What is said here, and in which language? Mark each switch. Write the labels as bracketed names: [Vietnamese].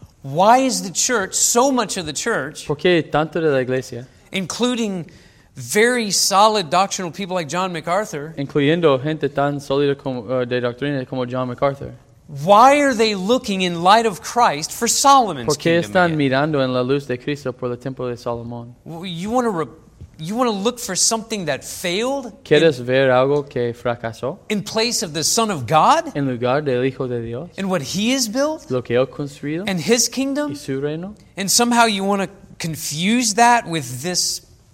[English] Why is the church, so much of the church, [Spanish] ¿por qué tanto de la iglesia, [English] including very solid doctrinal people like John MacArthur, [Spanish] incluyendo gente tan sólida como de doctrina como John MacArthur, [English] why are they looking in light of Christ for Solomon's [Spanish] ¿Por qué están mirando en la luz de Cristo por el templo de Salomón? [English] You want to look for something that failed? [Spanish] ¿Quieres ver algo que fracasó? [English] In place of the Son of God? [Spanish] En lugar del Hijo de Dios? [English] And what he has built? [Spanish] Lo que él construido? [English] And his kingdom? [Spanish] Y su reino? [English] And somehow you want to confuse that with this?